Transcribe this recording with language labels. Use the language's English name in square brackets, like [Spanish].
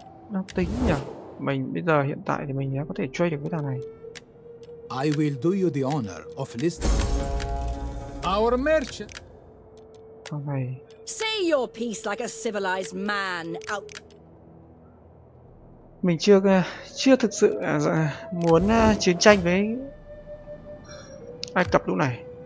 [Vietnamese] nó tính nhỉ. Mình bây giờ hiện tại thì mình có thể chơi được cái thằng này. [English] I will do you the honor of listening. Our merchant. [Vietnamese] Thằng này. [English] Say your piece like a civilized man. Out. [Vietnamese] Mình chưa thực sự muốn chiến tranh với Ai Cập lúc này.